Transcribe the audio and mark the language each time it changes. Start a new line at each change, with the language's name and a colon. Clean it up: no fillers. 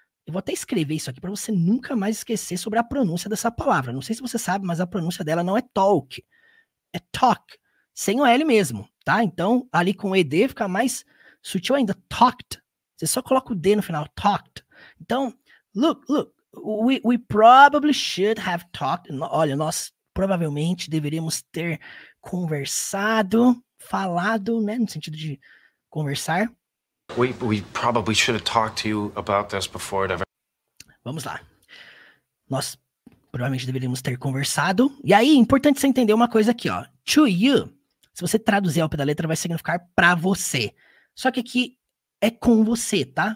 Portuguese: Eu vou até escrever isso aqui para você nunca mais esquecer sobre a pronúncia dessa palavra. Não sei se você sabe, mas a pronúncia dela não é talk. É talk. Sem o L mesmo, tá? Então, ali com o ED fica mais sutil ainda. Talked. Você só coloca o D no final. Talked. Então, look.
English: We probably should have talked.
Portuguese: Olha, nós provavelmente deveríamos ter conversado, falado, né? No sentido de conversar.
English: We probably should have talked to you about this before it ever...
Portuguese: Vamos lá. Nós provavelmente deveríamos ter conversado. E aí, importante você entender uma coisa aqui, ó. To you. Se você traduzir ao pé da letra, vai significar pra você. Só que aqui é com você, tá?